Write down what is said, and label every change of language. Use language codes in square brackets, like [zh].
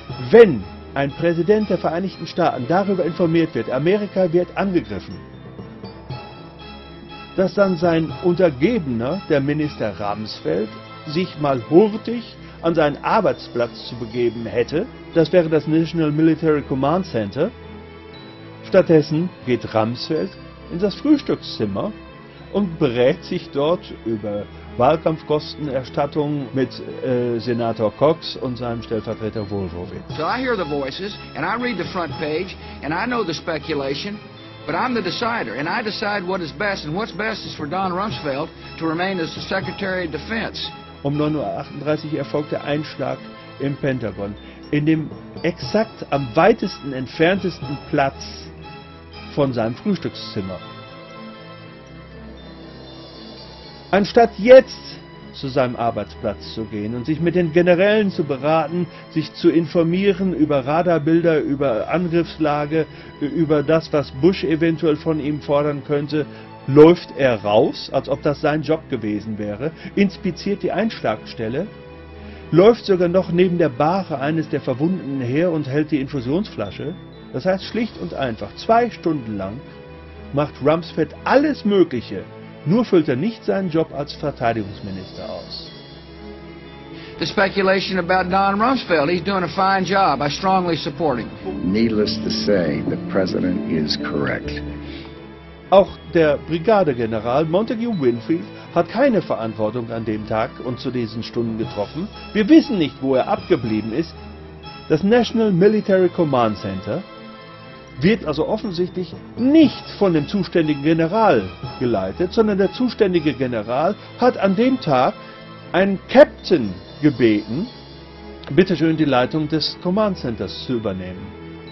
[de] Wenn ein Präsident der Vereinigten Staaten darüber informiert wird, Amerika wird angegriffen, dass dann sein Untergebener, der Minister Rumsfeld, sich mal hurtig an seinen Arbeitsplatz zu begeben hätte, das wäre das National Military Command Center. Stattdessen geht Rumsfeld in das Frühstückszimmer und berät sich dort über Wahlkampfkostenerstattung mit Senator Cox und seinem Stellvertreter Wolfowitz. [en] So I hear the voices and I read the front page and I know the speculation, but I'm the decider and I decide what is best, and what's best is for Don Rumsfeld to remain as the Secretary of Defense. [de] Um 9.38 Uhr erfolgt der Einschlag im Pentagon, in dem exakt am weitesten entferntesten Platz von seinem Frühstückszimmer. Anstatt jetzt zu seinem Arbeitsplatz zu gehen und sich mit den Generälen zu beraten, sich zu informieren über Radarbilder, über Angriffslage, über das, was Bush eventuell von ihm fordern könnte, läuft er raus, als ob das sein Job gewesen wäre, inspiziert die Einschlagstelle, läuft sogar noch neben der Bahre eines der Verwundeten her und hält die Infusionsflasche. Das heißt, schlicht und einfach, 2 Stunden lang macht Rumsfeld alles Mögliche, nur füllt er nicht seinen Job als Verteidigungsminister aus. [en] The speculation about Don Rumsfeld, he's doing a fine job, I strongly support him. Needless to say, the president is correct. [de] Auch der Brigadegeneral Montague Winfield hat keine Verantwortung an dem Tag und zu diesen Stunden getroffen. Wir wissen nicht, wo er abgeblieben ist. Das National Military Command Center wird also offensichtlich nicht von dem zuständigen General geleitet, sondern der zuständige General hat an dem Tag einen Captain gebeten, bitteschön die Leitung des Command Centers zu übernehmen.